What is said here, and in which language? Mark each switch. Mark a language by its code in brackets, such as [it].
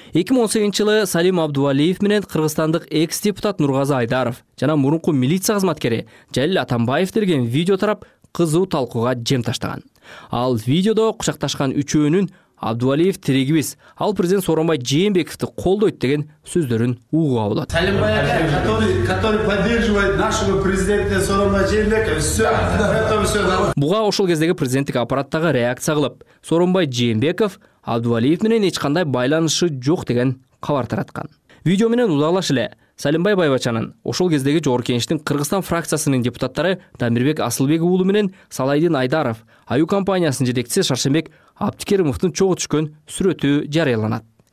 [ky] 2018-жылы Салим Абдувалиев менен кыргызстандык экс-депутат Нургазы Айдаров жана мурунку милиция кызматкери Жалил Атамбаев деген видео тарап кызуу талкууга жем таштаган. Ал видеодо кучакташкан үчөөнүн Абдувалиев тирегибиз, ал президент Сооронбай Жээнбековду колдойт деген сөздөрүн угууга болот. [ru] Салимбай ага, который поддерживает нашего президента Сооронбай Жээнбековду, всё, это всё. [ky] Буга ошол кездеги президенттик аппараттагы реакция кылып, Сооронбай Жээнбеков Абдувалиев менен эч кандай байланышы жок деген кабар тараткан. Видео менен узалаш эле Салимбай Байбачанын ошол кездеги Жогорку Кеңештин Кыргызстан фракциясынын депутаттары Дамирбек Асылбек уулу менен Салайдин Айдаров, Аюу компаниясынын жетекчиси Шаршенбек Аптикеримовдун чогуу түшкөн сүрөтү жарыяланат.